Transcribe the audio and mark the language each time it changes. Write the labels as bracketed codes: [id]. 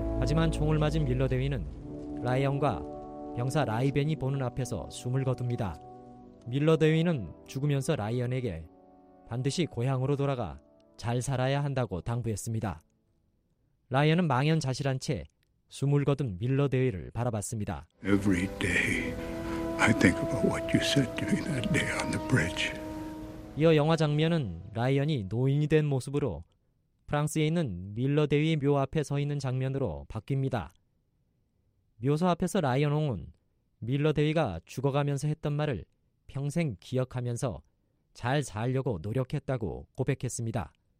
[ko] ...지만 총을 맞은 밀러 대위는 라이언과 병사 라이벤이 보는 앞에서 숨을 거둡니다. 밀러 대위는 죽으면서 라이언에게 반드시 고향으로 돌아가 잘 살아야 한다고 당부했습니다. 라이언은 망연자실한 채 숨을 거둔 밀러 대위를 바라봤습니다. [en] Every day I think about what you said during that day on the bridge. [ko] 이어 영화 장면은 라이언이 노인이 된 모습으로 프랑스에 있는 밀러 대위의 묘 앞에 서 있는 장면으로 바뀝니다. 묘소 앞에서 라이언 홍은 밀러 대위가 죽어가면서 했던 말을 평생 기억하면서 잘 살려고 노력했다고 고백했습니다.